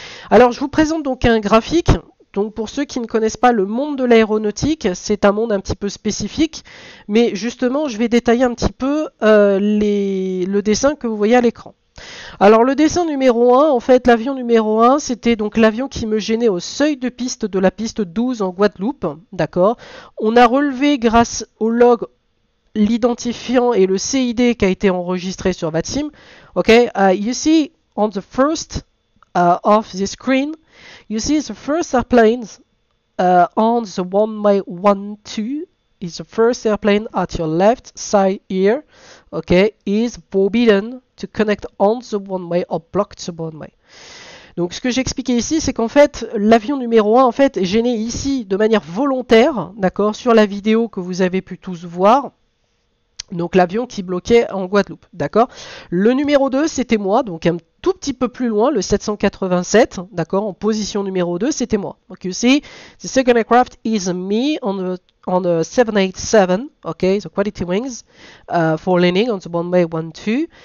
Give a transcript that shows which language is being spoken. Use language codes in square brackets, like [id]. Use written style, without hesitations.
[fr] Alors, je vous présente donc un graphique. Donc, pour ceux qui ne connaissent pas le monde de l'aéronautique, c'est un monde un petit peu spécifique, mais justement, je vais détailler un petit peu le dessin que vous voyez à l'écran. Alors, le dessin numéro 1, en fait, l'avion numéro 1, c'était donc l'avion qui me gênait au seuil de piste de la piste 12 en Guadeloupe. D'accord? On a relevé grâce au log l'identifiant et le CID qui a été enregistré sur VATSIM. Ok? [en] You see, on the first of the screen, you see the first airplane on the runway 12 is the first airplane at your left side here. Okay, is forbidden to connect on the runway or block the runway. [fr] Donc, ce que j'expliquais ici, c'est qu'en fait, l'avion numéro 1, en fait, est gêné ici de manière volontaire, d'accord, sur la vidéo que vous avez pu tous voir. Donc, l'avion qui bloquait en Guadeloupe, d'accord. Le numéro 2, c'était moi, donc un tout petit peu plus loin, le 787, d'accord, en position numéro 2, c'était moi. [en] Donc, you see, the second aircraft is me on the 787, ok, the quality wings for landing on the runway 12.